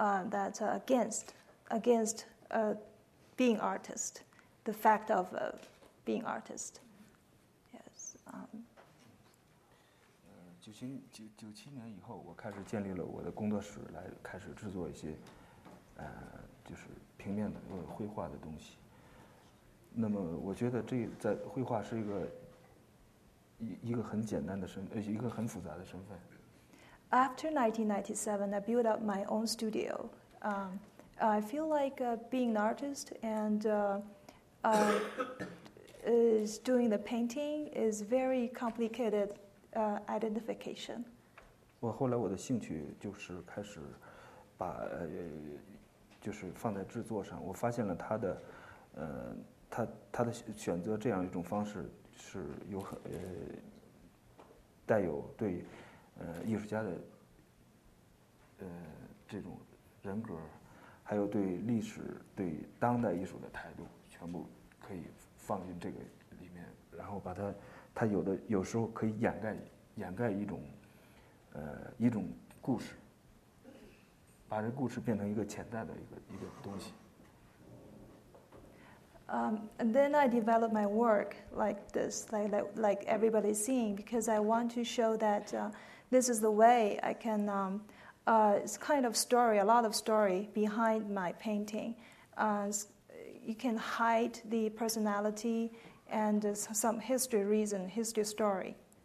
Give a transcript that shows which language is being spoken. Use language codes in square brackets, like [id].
[en] That's against being artist, the fact of being artist. Yes. [zh] 九七年以后，我开始建立了我的工作室，来开始制作一些就是平面的或者绘画的东西。那么我觉得这在绘画是一个很简单的身，一个很复杂的身份。 [en] After 1997, I built up my own studio. I feel like being an artist and is doing the painting is very complicated identification. [zh] 我后来我的兴趣就是开始把就是放在制作上。我发现了他的选择这样一种方式是有带有对艺术家的这种人格还有对历史、对当代艺术的态度，全部可以放进这个里面，然后把它，它有的有时候可以掩盖一种，一种故事，把这故事变成一个潜在的一个东西。 [en] And then I develop my work like this, like everybody's seeing, because I want to show that this is the way I can. It's kind of story, a lot of story behind my painting. You can hide the personality and some history reason, history story.